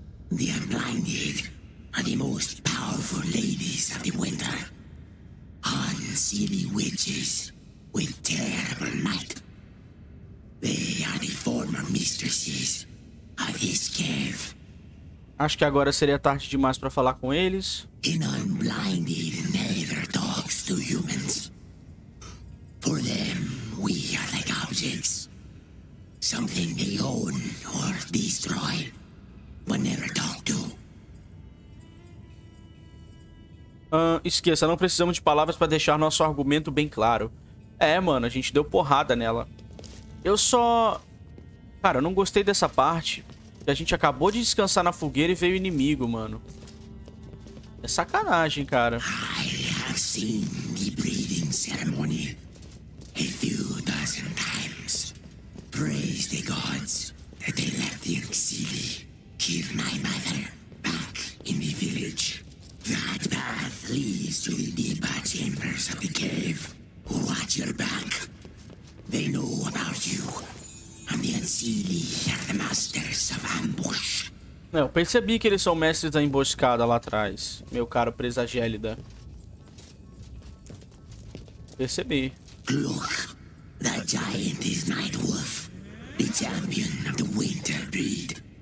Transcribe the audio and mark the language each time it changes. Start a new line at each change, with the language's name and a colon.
English: The unblinded are the most powerful ladies of the winter. Unseelie witches with terrible might. They are the former mistresses of this cave.
Portuguese: Acho que agora seria tarde demais pra falar com eles.
English: An unblinded never talks to humans. For them, we are like objects. Something they own or destroy, but never talk to.
Portuguese: Esqueça, não precisamos de palavras pra deixar nosso argumento bem claro. É, mano, a gente deu porrada nela. Eu só... Cara, eu não gostei dessa parte. A gente acabou de descansar na fogueira e veio inimigo, mano. É sacanagem, cara.
English: I have seen the breathing ceremony a few dozen times. Praise the gods that they left the Exili. Give my mother back in the village. That path leads to the deeper chambers of the cave. Watch your back. They know about you. And the Exili are the masters of ambush.
Portuguese: Não, eu percebi que eles são mestres da emboscada lá atrás, meu caro presa gélida. Percebi.
English: Look, the giant is Nightwolf, the champion of the winter breed.